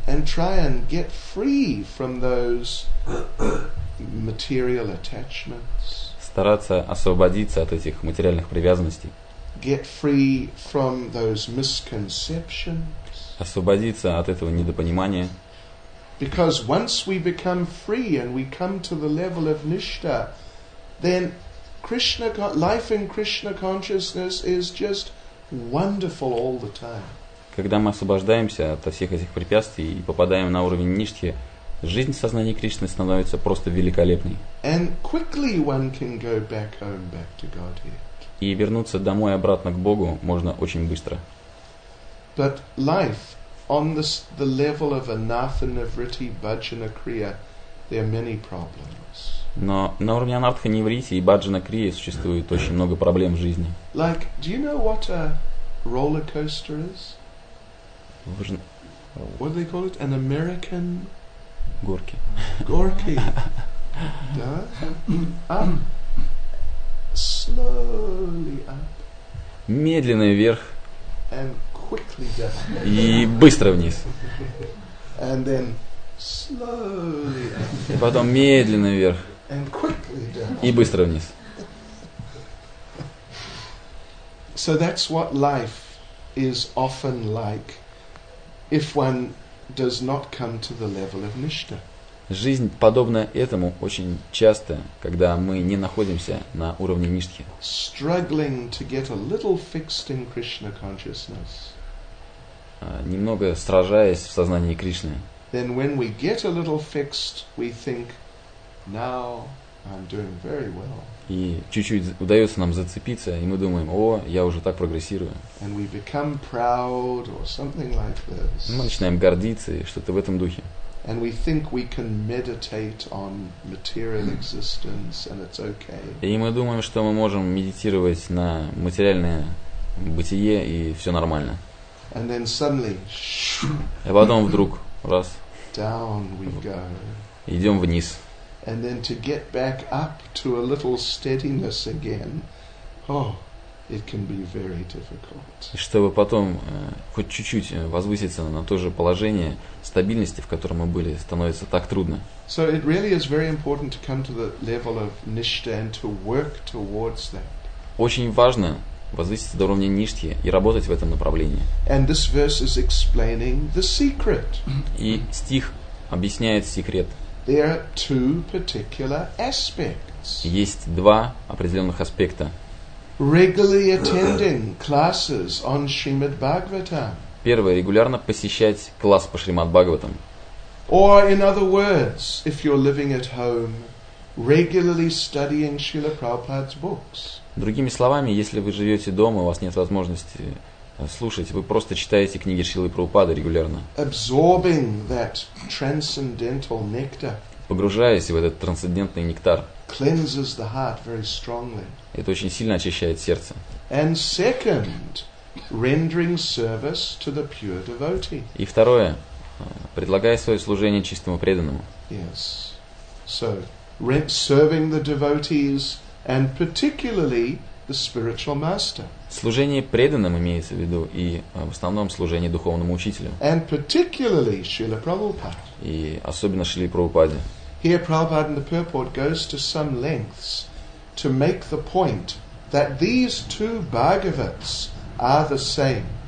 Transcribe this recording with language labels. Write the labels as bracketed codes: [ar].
[en] And try and get free from those material attachments. [ru] Стараться освободиться от этих материальных привязанностей. [en] Get free from those misconceptions. [ru] Освободиться от этого недопонимания. [en] Because once we become free and we come to the level of nishtha, then Krishna, life in Krishna consciousness is just wonderful all the time. [ru] Когда мы освобождаемся от всех этих препятствий и попадаем на уровень ништхи, жизнь в сознании Кришны становится просто великолепной. [en] And quickly one can go back home, back to Godhead. [ru] И вернуться домой обратно к Богу можно очень быстро. [en] But life on the level of anartha nivritti bhajana kriya There are many problems. [ru] Но на уровне анартха неврити и баджана крии существует очень много проблем в жизни. [en] Like, do you know what a roller coaster is? What do they call it? An American? [ru] Горки. Горки. Да? [en] Slowly up. [ru] Медленно вверх. [en] And quickly down. [ru] И быстро вниз. [en] And then slowly up. [ru] И потом медленно вверх. [en] And quickly down. [ru] И быстро вниз. [en] So that's what life is often like if one does not come to the level of Nishta. [ru] Жизнь подобна этому очень часто, когда мы не находимся на уровне ништхи. [en] Struggling to get a little fixed in Krishna consciousness. [ru] Немного сражаясь в сознании Кришны. [en] Then when we get a little fixed, we think, now I'm doing very well. [ru] И чуть-чуть удается нам зацепиться, и мы думаем, о, я уже так прогрессирую. [en] And we become proud or something like this. [ru] Мы начинаем гордиться, что-то в этом духе. [en] And we think we can meditate on material existence, and it's okay. [ru] И мы думаем, что мы можем медитировать на материальное бытие, и все нормально. [en] And then suddenly, [ru] а потом вдруг, раз, [en] down we go. [ru] Идем вниз. [en] And then to get back up to a little steadiness again, oh, it can be very difficult. [ru] И чтобы потом хоть чуть-чуть возвыситься на то же положение стабильности, в котором мы были, становится так трудно. [en] So it really is very important to come to the level of nishtha and to work towards that. [ru] Очень важно возвыситься до уровня ништхи и работать в этом направлении. [en] And this verse is explaining the secret. [ru] И стих объясняет секрет. [en] There are two particular aspects. [ru] Есть два определенных аспекта. [en] Regularly attending classes on Shrimad Bhagavatam. [ru] Первое, регулярно посещать класс по Шримад Бхагаватам. [en] Or in other words, if you're living at home, regularly studying Srila Prabhupada's books. [ru] Другими словами, если вы живете дома, у вас нет возможности слушайте, вы просто читаете книги Шрилы Прабхупады регулярно. [en] Absorbing that transcendental nectar. [ru] Погружаясь в этот трансцендентный нектар. [en] Cleanses the heart very strongly. [ru] Это очень сильно очищает сердце. [en] And second, rendering service to the pure devotee. [ru] И второе, предлагая свое служение чистому преданному. [en] Yes. So, serving the devotees and particularly the spiritual master. [ru] Служение преданным имеется в виду и в основном служение духовному учителю. [en] And particularly Srila Prabhupada. [ru] И особенно Шриле Прабхупаде. [en] Here Prabhupada in the purport goes to some lengths to make the point that these two Bhagavats are the same.